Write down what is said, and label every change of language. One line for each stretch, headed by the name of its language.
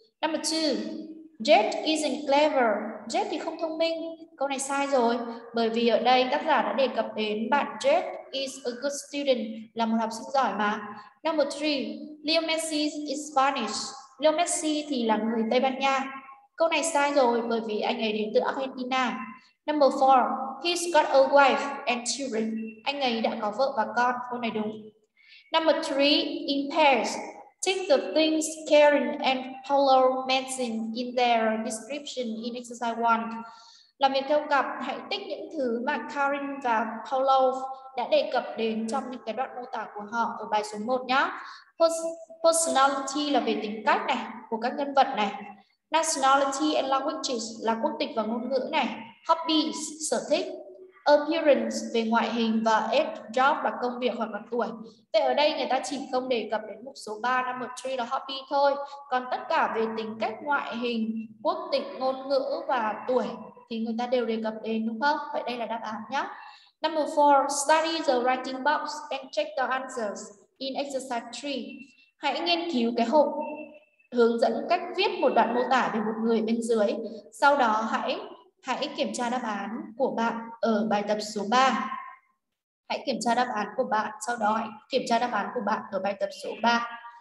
English: Number two, Jet isn't clever.
Vietnamese: Jet thì không thông minh, câu này sai rồi. Bởi vì ở đây tác giả đã đề cập đến bạn
English: Jet is a good student,
Vietnamese: là một học sinh giỏi mà.
English: Number three, Leo Messi is Spanish.
Vietnamese: Leo Messi thì là người Tây Ban Nha, câu này sai rồi bởi vì anh ấy đến từ Argentina.
English: Number four, he's got a wife and children.
Vietnamese: Anh ấy đã có vợ và con, câu này đúng.
English: Number three, in pairs, take the things Karen and Paolo mentioned in their description in exercise one.
Vietnamese: Làm việc theo cặp, hãy tích những thứ mà Karen và Paolo đã đề cập đến trong những cái đoạn mô tả của họ ở bài số 1 nhé. Personality là về tính cách này của các nhân vật này. Nationality and languages là quốc tịch và ngôn ngữ này. Hobbies, sở thích. Appearance, về ngoại hình. Và age, job là công việc hoặc là tuổi. Vậy ở đây người ta chỉ không đề cập đến mục số 3, number 3 là hobby thôi. Còn tất cả về tính cách, ngoại hình, quốc tịch, ngôn ngữ và tuổi thì người ta đều đề cập đến, đúng không? Vậy đây là đáp án nhé.
English: Number 4, study the writing box and check the answers in exercise 3.
Vietnamese: Hãy nghiên cứu cái hộp hướng dẫn cách viết một đoạn mô tả về một người bên dưới. Sau đó hãy kiểm tra đáp án của bạn ở bài tập số 3. Hãy kiểm tra đáp án của bạn, sau đó hãy kiểm tra đáp án của bạn ở bài tập số 3.